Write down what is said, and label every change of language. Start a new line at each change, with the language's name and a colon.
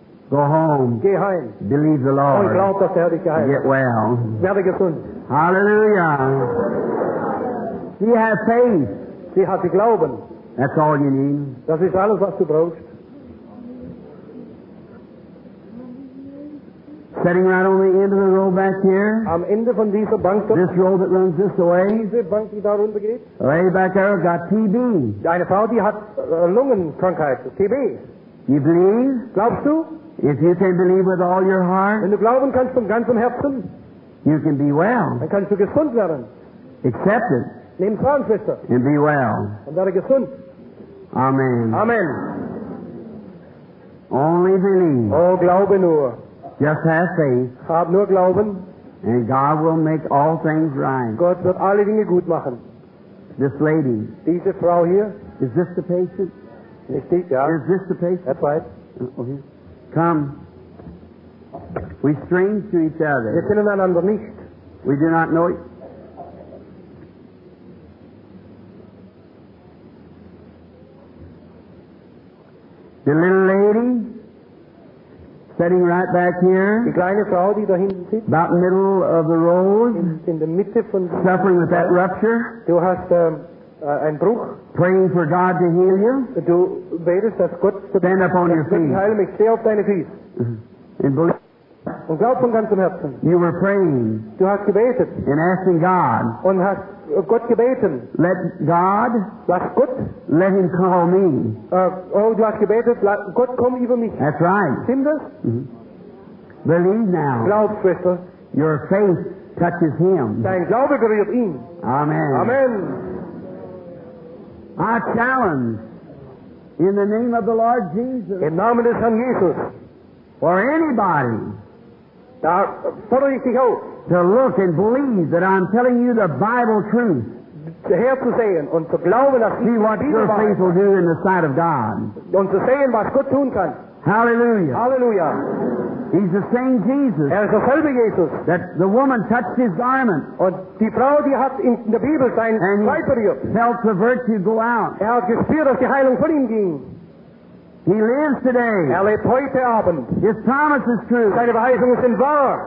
English: Go home.
German: Geh heim.
English: Believe the Lord.
German: Und glaub, dass der Herr dich geheilt.
English: Get well.
German: Werde gesund.
English: Hallelujah. She has faith.
German: Sie hat Glauben.
English: That's all you need.
German: Das ist alles, was du brauchst.
English: Sitting right on the end of the row back here.
German: Am Ende von dieser Bank.
English: This row that runs this way.
German: Diese Bank, die da runter geht.
English: Lady back there got TB.
German: Deine Frau, die hat Lungenkrankheit, TB.
English: You believe?
German: Glaubst du?
English: If you can believe with all your heart.
German: Wenn du glauben kannst von ganzem Herzen.
English: You can be well.
German: Dann kannst du gesund werden.
English: Accept it.
German: Nimm Frauen, Schwester.
English: And be well.
German: Und werde gesund.
English: Amen.
German: Amen.
English: Only believe.
German: Oh, glaube nur.
English: Just have faith.
German: Hab nur Glauben.
English: And God will make all things right.
German: Gott wird alle Dinge gut machen.
English: This lady.
German: Diese Frau hier.
English: Is this the patient?
German: Richtig, ja.
English: Is this the patient? That's right. Okay. Come. We strange to each other.
German: Wir kennen einander nicht.
English: We do not know it. The little lady sitting right back here.
German: Die kleine Frau, die da hinten sitzt.
English: About middle of the road.
German: In der Mitte von.
English: Suffering with that rupture.
German: Du hast ein Bruch.
English: Praying for God to heal you.
German: Du betest, dass Gott.
English: Stand up on your feet.
German: Heil mich, steh auf deine Füße.
English: And believe.
German: Und glaub von ganzem Herzen.
English: You were praying.
German: Du hast gebetet.
English: And asking God.
German: Und hast Gott gebeten.
English: Let God.
German: Lass Gott.
English: Let him call me.
German: Du hast gebetet. Gott komm über mich.
English: That's right.
German: Stimmt das?
English: Mm-hmm. Believe now.
German: Glaub, Schwester.
English: Your faith touches him.
German: Dein Glaube berührt ihn.
English: Amen.
German: Amen.
English: I challenge in the name of the Lord Jesus.
German: Im Namen des Herrn Jesus.
English: For anybody.
German: Da fordere ich dich auf.
English: To look and believe that I'm telling you the Bible truth.
German: Zu hören zu sehen und zu glauben, dass ich die Bibel weiß.
English: See what your faith will do in the sight of God.
German: Und zu sehen, was Gott tun kann.
English: Hallelujah.
German: Hallelujah.
English: He's the same Jesus.
German: Er ist derselbe Jesus.
English: That the woman touched his garment.
German: Und die Frau, die hat in der Bibel sein Kleid berührt.
English: Felt the virtue go out.
German: Er hat gespürt, dass die Heilung von ihm ging.
English: He lives today.
German: Er lebt heute Abend.
English: His promise is true.
German: Seine Verheißung ist in wahr.